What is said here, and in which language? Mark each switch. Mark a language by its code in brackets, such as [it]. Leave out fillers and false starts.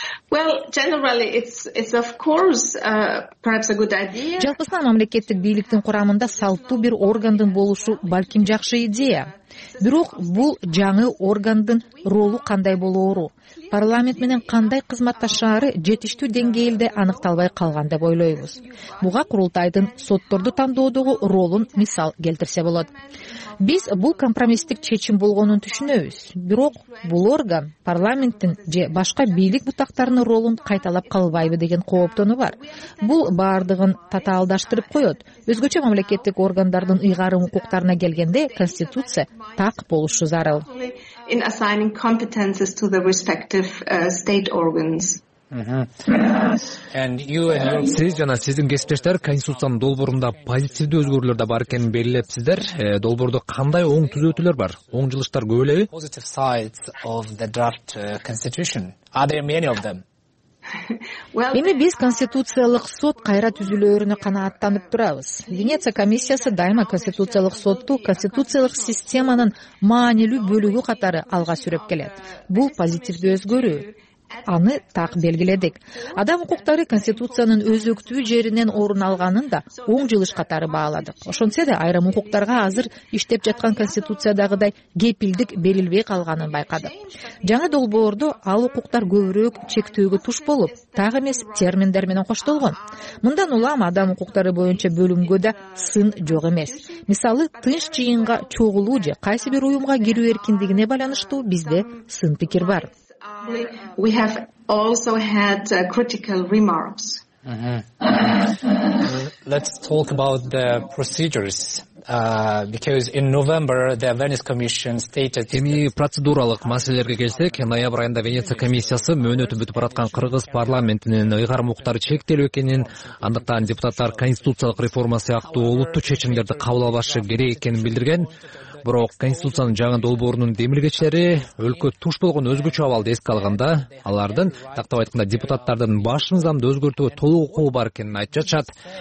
[en] Well, generally, it's of course perhaps a good idea. [ky] Жалпысынан мамлекеттик бийликтин курамында салттуу бир органдын болушу балким жакшы идея. Бирок бул жаңы органдын ролу кандай болоору, парламент менен кандай кызматташары жетиштүү деңгээлде аныкталбай калган деп ойлойбуз. Буга курултайдын сотторду тандоодогу ролун мисал келтирсе болот. Биз бул компромисстик чечим болгонун түшүнөбүз. Бирок бул орган парламенттин же башка бийлик бутактарынын ролун кайталап калбайбы деген кооптонуу бар. Бул баардыгын татаалдаштырып коет. Өзгөчө мамлекеттик органдардын ыйгарым укуктарына келгенде конституция так болушу зарыл. [en] In assigning competences to the respective state organs. And you and your [ky] сиз жана сиздин кесиптештер конституциянын долбоорунда позитивдүү өзгөрүүлөр да бар экенин белгилепсиздер. Долбоордо кандай оң түзөтүүлөр бар? Оң жылыштар көп элеби? [en] Positive sides of the draft constitution. Are there many of them? [ky] Эми биз конституциялык сот кайра түзүлөөрүнө канааттанып турабыз. Венеция комиссиясы дайыма конституциялык сотту конституциялык системанын маанилүү бөлүгү катары алга сүрөп келет. Бул позитивдүү өзгөрүү. Аны так белгиледик. Адам укуктары конституциянын өзөктүү жеринен орун алганын да оң жылыш катары бааладык. Ошентсе да айрым укуктарга азыр иштеп жаткан конституциядагыдай кепилдик берилбей калганын байкадык. Жаңы долбоордо ал укуктар көбүрөөк чектөөгө туш болуп, так эмес терминдер менен коштолгон. Мындан улам адам укуктары боюнча бөлүмгө да сын жок эмес. Мисалы, тынч жыйынга чогулуу же кайсы бир уюмга кирүү эркиндигине байланыштуу бизде сын пикир бар. [en] We have also had critical remarks. Let's talk about the procedures. Because in November the Venice Commission stated [ky] эми процедуралык маселелерге келсек, ноябрь айында Венеция комиссиясы мөөнөтү бүтүп бараткан кыргыз парламентинин ыйгарым укуктары чектелүү экенин, андыктан депутаттар конституциялык реформа сыяктуу олуттуу чечимдерди кабыл албашы керек экенин билдирген. Бирок конституциянын жаңы долбоорунун демилгечилери өлкө туш болгон өзгөчө абалды эске алганда, алардын тактап айтканда депутаттардын баш мыйзамды өзгөртүүгө толук укугу бар экенин айтып жатышат.